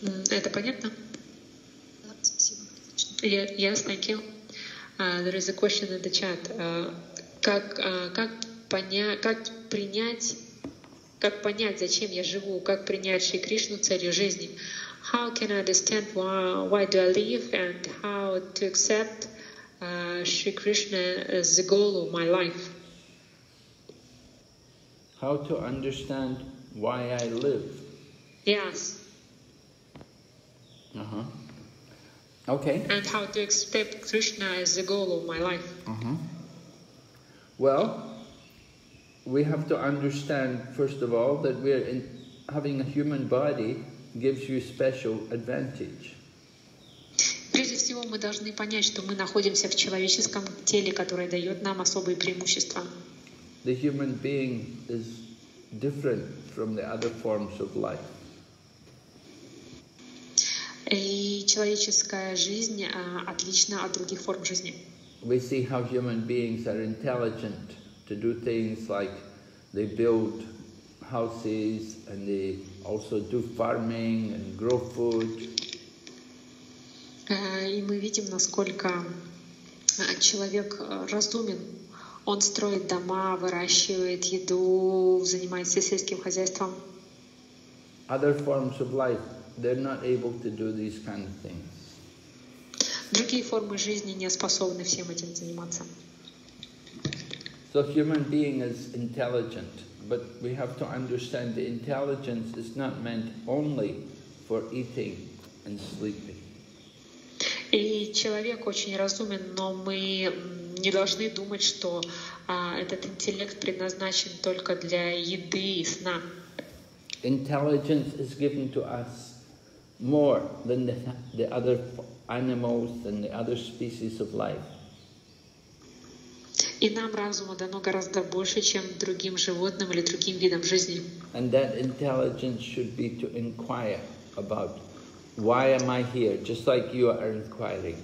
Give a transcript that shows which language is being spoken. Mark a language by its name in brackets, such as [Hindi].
[Russian] Это понятно? Спасибо. [English] Yes, thank you. There is a question in the chat. [Russian] Как понять, зачем я живу, как принять Шри Кришну целью жизни? [English] How can I understand why do I live and how to accept Shri Krishna as the goal of my life? How to understand why I live? Yes. Uh-huh. Okay. And how to accept Krishna as the goal of my life? Uh-huh. Well, we have to understand, first of all, that we're in having a human body gives you special advantage. [Russian] Прежде всего, мы должны понять, что мы находимся в человеческом теле, которое дает нам особые преимущества. [English] The human being is different from the other forms of life. [Russian] И человеческая жизнь отлична от других форм жизни. [English] We see how human beings are intelligent to do things like they build houses and they also do farming and grow food. [Russian] И мы видим, насколько человек разумен. Он строит дома, выращивает еду, занимается сельским хозяйством. [English] Other forms of life, they're not able to do these kind of things. [Russian] Другие формы жизни не способны всем этим заниматься. [English] So human being is intelligent. But we have to understand the intelligence is not meant only for eating and sleeping. [Russian] И человек очень разумен, но мы не должны думать, что этот интеллект предназначен только для еды и сна. [English] Intelligence is given to us more than the other animals and the other species of life. [Russian] И нам разума дано гораздо больше, чем другим животным или другим видам жизни. [English] And that intelligence should be to inquire about why am I here, just like you are inquiring.